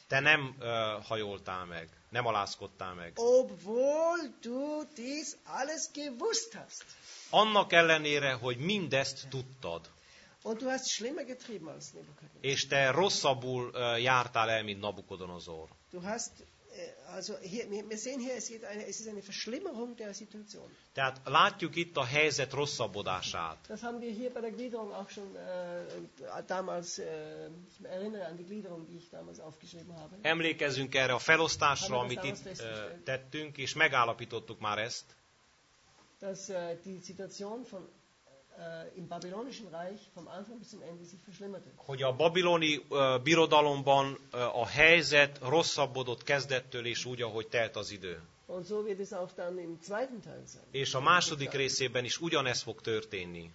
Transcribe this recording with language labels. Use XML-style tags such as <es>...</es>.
<hu>Te nem hajoltál meg, nem alázkodtál meg.</hu> <de>Obwohl du dies alles gewusst hast.</de> <hu>Annak ellenére, hogy mindezt tudtad.</hu> <de>Und du hast schlimmer getrieben als Nebukadnezar.</de> <hu>És te rosszabbul jártál el, mint Nabukodonozor.</hu> <de>Du hast also hier, wir sehen hier, es ist eine Verschlimmerung der Situation.</de> <hu>Tehát látjuk itt a helyzet rosszabbodását.</hu> <de>Das haben wir hier bei der Gliederung auch schon damals, ich erinnere an die Gliederung, die ich damals aufgeschrieben habe.</de> <hu>Emlékezzünk erre a felosztásra, amit itt tettünk, és megállapítottuk már ezt.</hu> <de>Dass die Situation von im babylonischen Reich vom Anfang bis zum Ende sich verschlimmerte.</de> <hu>Hogy a babiloni birodalomban a helyzet rosszabbodott kezdettől és úgy, ahogy telt az idő.</hu> <de>Und so wird es auch dann im zweiten Teil sein.</de> <hu>És a második részében is ugyanez fog történni.</hu>